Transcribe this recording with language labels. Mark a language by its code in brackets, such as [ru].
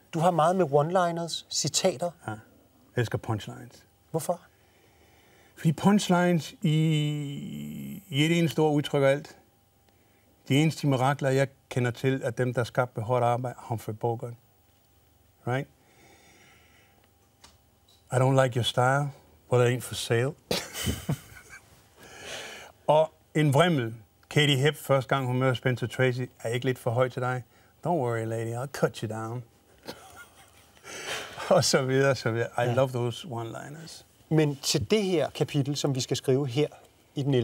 [da] Du har meget med one-liners, citater. Ja, jeg elsker punchlines. Hvorfor? Fordi punchlines i et eneste ord udtrykker alt. De eneste mirakler, jeg kender til, er dem, der skabte hårdt arbejde, Humphrey Bogart. [en] Right? I don't like your style, but it ain't for sale. [da] Og en vrimmel. Katie Hepp, første gang hun møder Spencer Tracy, er ikke lidt for høj til dig? [en] Don't worry, lady, I'll cut you down. [da] Og så videre, så videre. [en] I love those one-liners. [da] Men til det her kapitel, som vi skal skrive her i den 11.